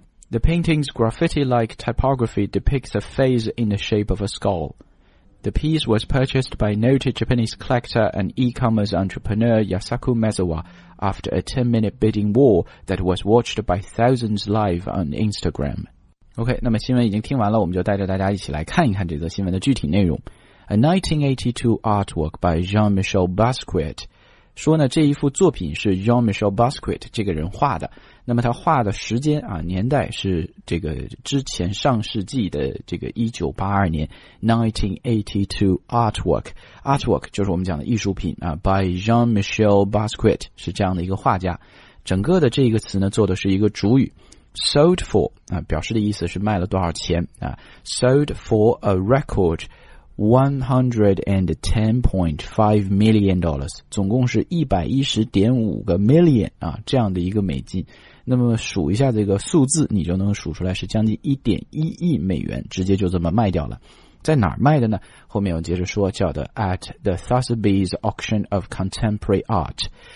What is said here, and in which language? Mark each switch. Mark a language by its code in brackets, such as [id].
[en] The painting's graffiti-like typography depicts a face in the shape of a skull. The piece was purchased by noted Japanese collector and e-commerce entrepreneur Yasaku Maezawa after a 10-minute bidding war that was watched by thousands live on Instagram. [zh] OK, 那么新闻已经听完了，我们就带着大家一起来看一看这则新闻的具体内容。 [en] A 1982 artwork by Jean-Michel Basquiat [zh] 说呢，这一幅作品是 Jean-Michel Basquiat 这个人画的。那么他画的时间啊，年代是这个之前上世纪的这个1982年 [en] ,1982 artwork。 [zh] artwork 就是我们讲的艺术品啊 ,by Jean-Michel Basquiat, 是这样的一个画家。整个的这个词呢做的是一个主语。 [en] sold for, [zh] 啊表示的意思是卖了多少钱啊 [en] ,sold for a record $110.5 million, [zh] 总共是 110.5 million 啊这样的一个美金。那么数一下这个数字你就能数出来是将近 1.1 亿美元直接就这么卖掉了。在哪儿卖的呢后面我接着说叫的 [en] at the Sotheby's Auction of Contemporary Art。